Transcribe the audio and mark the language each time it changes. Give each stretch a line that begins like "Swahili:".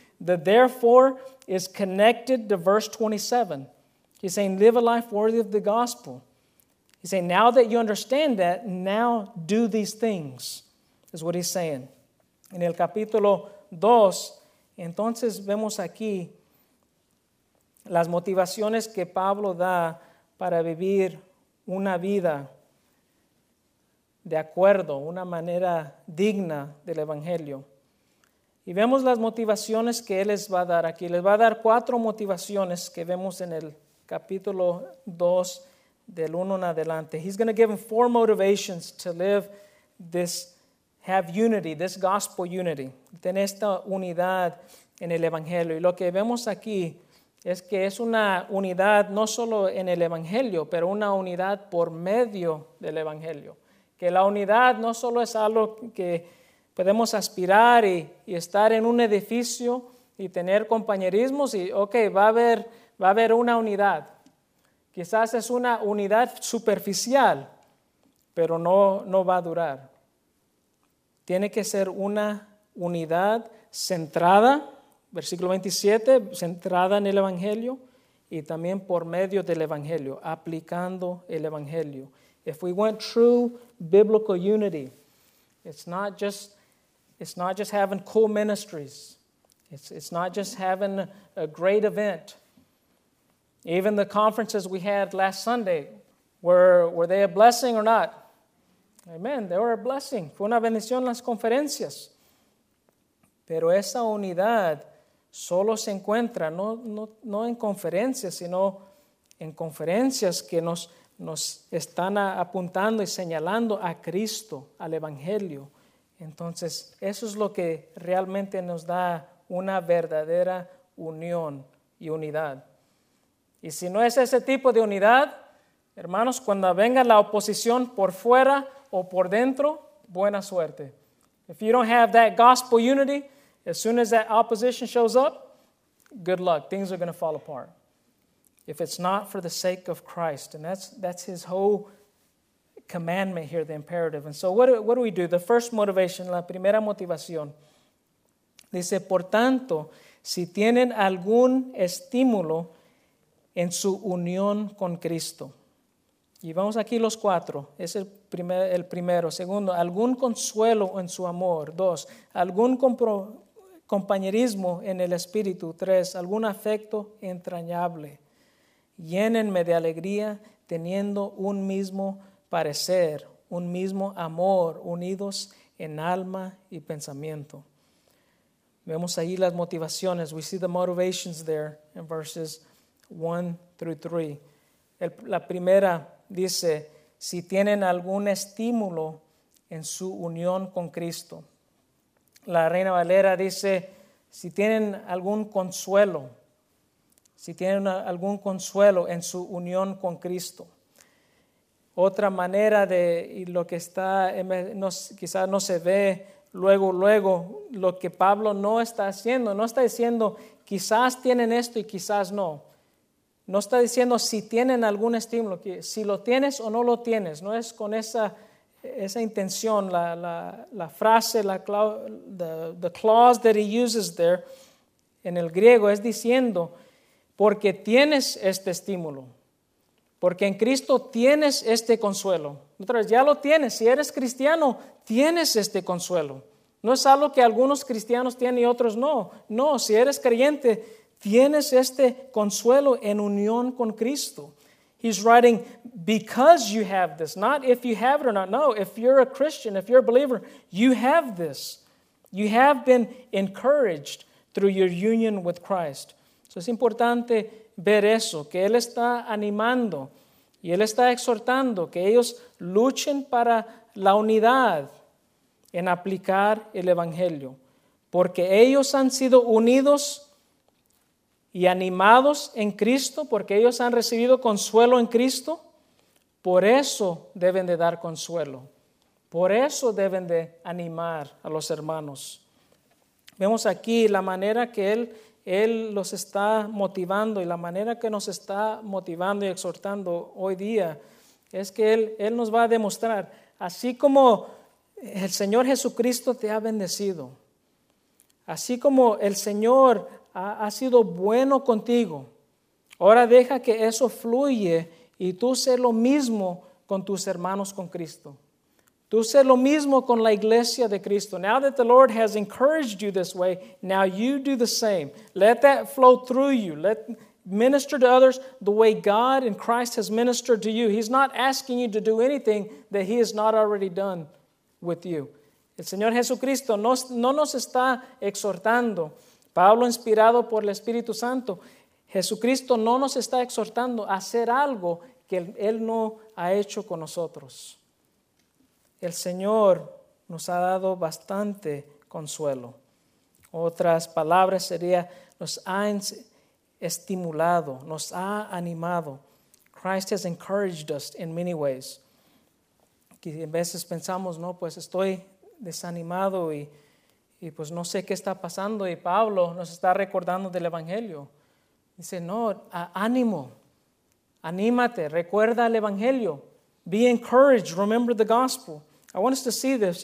English: The therefore is connected to verse 27. He's saying, live a life worthy of the gospel. He's saying, now that you understand that, now do these things, is what he's saying.
Spanish: En el capítulo 2, entonces vemos aquí las motivaciones que Pablo da para vivir una vida de acuerdo, una manera digna del Evangelio. Y vemos las motivaciones que Él les va a dar aquí. Les va a dar cuatro motivaciones que vemos en el capítulo 2 del 1 en adelante. He's going to give them four motivations to live this, have unity, this gospel unity. Tener esta unidad en el Evangelio. Y lo que vemos aquí es que es una unidad no solo en el Evangelio, pero una unidad por medio del Evangelio. Que la unidad no solo es algo que podemos aspirar y estar en un edificio y tener compañerismos y okay, va a haber una unidad. Quizás es una unidad superficial, pero no va a durar. Tiene que ser una unidad centrada, versículo 27, centrada en el Evangelio y también por medio del Evangelio, aplicando el Evangelio.
English: If we want true biblical unity, it's not just having cool ministries. It's not just having a great event. Even the conferences we had last Sunday, Were they a blessing or not? Amen, they were a blessing.
Spanish: Fue una bendición las conferencias. Pero esa unidad solo se encuentra, no en conferencias, sino en conferencias que nos están apuntando y señalando a Cristo, al Evangelio. Entonces, eso es lo que realmente nos da una verdadera unión y unidad. Y si no es ese tipo de unidad, hermanos, cuando venga la oposición por fuera o por dentro, buena suerte.
English: If you don't have that gospel unity, as soon as that opposition shows up, good luck. Things are going to fall apart. If it's not for the sake of Christ. And that's his whole commandment here, the imperative. And so what do we do? The first motivation,
Spanish: la primera motivación. Dice, por tanto, si tienen algún estímulo en su unión con Cristo. Y vamos aquí los cuatro. Es el primero. Segundo, algún consuelo en su amor. Dos, algún compañerismo en el espíritu. Tres, algún afecto entrañable. Llénenme de alegría teniendo un mismo parecer, un mismo amor, unidos en alma y pensamiento. Vemos ahí las motivaciones.
English: We see the motivations there in verses 1 through 3.
Spanish: La primera dice, si tienen algún estímulo en su unión con Cristo. La Reina Valera dice, si tienen algún consuelo. Si tienen algún consuelo en su unión con Cristo. Otra manera de y lo que está, quizás no se ve luego, lo que Pablo no está haciendo. No está diciendo, quizás tienen esto y quizás no. No está diciendo si tienen algún estímulo, si lo tienes o no lo tienes. No es con esa intención, la frase,
English: the clause that he uses there
Spanish: en el griego es diciendo, porque tienes este estímulo, porque en Cristo tienes este consuelo. Otra vez, ya lo tienes, si eres cristiano, tienes este consuelo. No es algo que algunos cristianos tienen y otros no. No, si eres creyente, tienes este consuelo en unión con Cristo.
English: He's writing, because you have this, not if you have it or not. No, if you're a Christian, if you're a believer, you have this. You have been encouraged through your union with Christ.
Spanish: So es importante ver eso, que Él está animando y Él está exhortando que ellos luchen para la unidad en aplicar el Evangelio. Porque ellos han sido unidos y animados en Cristo, porque ellos han recibido consuelo en Cristo, por eso deben de dar consuelo. Por eso deben de animar a los hermanos. Vemos aquí la manera que Él los está motivando y la manera que nos está motivando y exhortando hoy día es que Él nos va a demostrar, así como el Señor Jesucristo te ha bendecido, así como el Señor ha sido bueno contigo, ahora deja que eso fluya y tú sé lo mismo con tus hermanos con Cristo. Tú sé lo mismo con la iglesia de Cristo.
English: Now that the Lord has encouraged you this way, now you do the same. Let that flow through you. Let minister to others the way God and Christ has ministered to you. He's not asking you to do anything that he has not already done with you.
Spanish: El Señor Jesucristo no nos está exhortando. Pablo, inspirado por el Espíritu Santo, Jesucristo no nos está exhortando a hacer algo que Él no ha hecho con nosotros. El Señor nos ha dado bastante consuelo. Otras palabras serían, nos ha estimulado, nos ha animado.
English: Christ has encouraged us in many ways.
Spanish: Que en veces pensamos, no, pues estoy desanimado y pues no sé qué está pasando. Y Pablo nos está recordando del Evangelio. Dice, no, ánimo, anímate, recuerda el Evangelio.
English: Be encouraged, remember the gospel. I want us to see this.